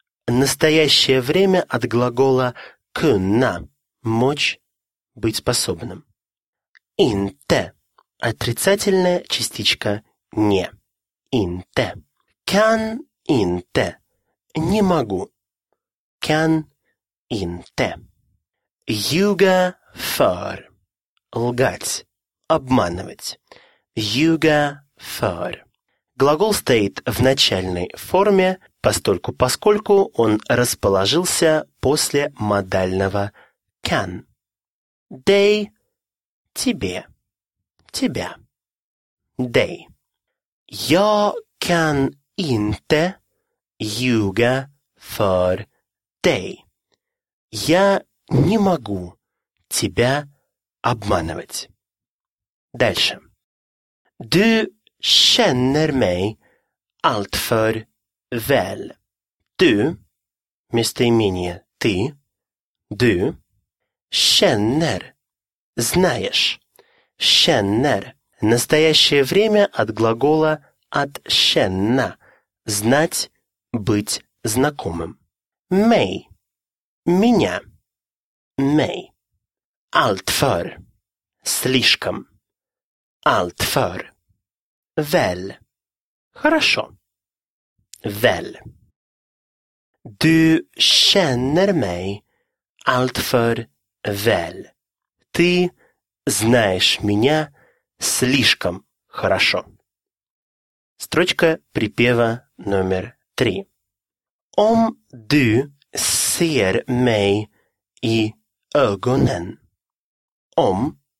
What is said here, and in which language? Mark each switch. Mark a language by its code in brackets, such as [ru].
[ru] Настоящее время от глагола kunna, мочь, быть способным. Inte, отрицательная частичка не. [sv] Inte, can inte, [ru] не могу. [sv] Can inte. Ljuga för, [ru] лгать, обманывать. [sv] Ljuga för. [ru] Глагол стоит в начальной форме, постольку поскольку он расположился после модального can. Dig – тебе, тебя. [sv] Dig. Jag kan inte ljuga för dig. [ru] Я не могу тебя обманывать. Дальше. [sv] Du känner mig allt för väl. [ru] Du, местоимение ты, [sv] du, känner, [ru] знаешь. Känner, настоящее время от глагола от känna, знать, быть знакомым. [sv] Mig, [ru] меня, [sv] mig, allt för, [ru] слишком, [sv] allt för. Väl. [ru] Хорошо. [sv] Väl. Du känner mig allt för väl. [ru] Ты знаешь меня слишком хорошо. Строчка припева номер три. [sv] Om du ser mig i ögonen. Om.